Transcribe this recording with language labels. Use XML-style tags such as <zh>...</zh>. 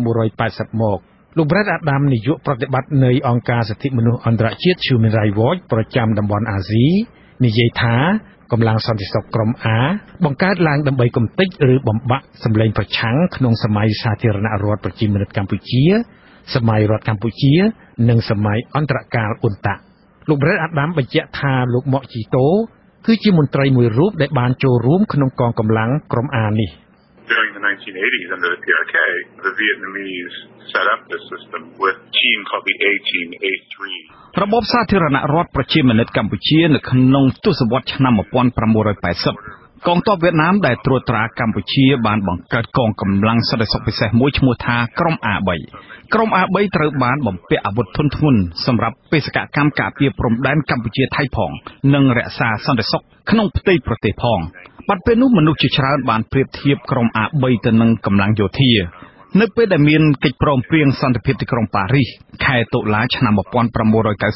<km>1980មកលោក Brett Adam នាយកប្រតិបត្តិនៃអង្គការសិទ្ធិមនុស្សអន្តរជាតិ Human Rights Watch ប្រចាំតំបន់អាស៊ីនិយាយថាកម្លាំងសន្តិសុខក្រុម A បង្កើតឡើងដើម្បីកំទេចឬបំបាក់សម្លេងប្រឆាំងក្នុងសម័យសាធារណរដ្ឋប្រជាមានិតកម្ពុជាសម័យរដ្ឋកម្ពុជានិងសម័យអន្តរកាលអ៊ុនតាក់លោកប្រេតអាដាមបញ្ជាក់ថាលោកម៉ាក់ជីតូគឺជាមន្ត្រីមួយរូបដែលបានចូលរួមក្នុងកងកម្លាំងក្រុម A នេះ</km> <en>During the 1980s under the PRK the Vietnamese set up this system with team called the A-Team A3</en> <km>របបសាធារណរដ្ឋប្រជាមានិតកម្ពុជានៅក្នុងទសវត្សរ៍ឆ្នាំ1980កងទ័ពវៀតណាមដែលត្រួតត្រាកម្ពុជាបានបង្កើតកងកម្លាំងសន្តិសុខពិសេសមួយឈ្មោះថាក្រុម A3 ក្រុម A3 ត្រូវបានបំពាក់អាវុធធុនធ្ងន់សម្រាប់បេសកកម្មការពារព្រំដែនកម្ពុជាថៃផងនិងរក្សាសន្តិសុខក្នុងផ្ទៃប្រទេសផងបាត់ពេលនោះមនុស្សជាច្រើនបានប្រៀបធៀបក្រុម A3 ទៅនឹងកម្លាំងយោធានៅពេលដែលមានកិច្ចព្រមព្រៀងសន្តិភាពទីក្រុងប៉ារីសខែតុលាឆ្នាំ1991</km>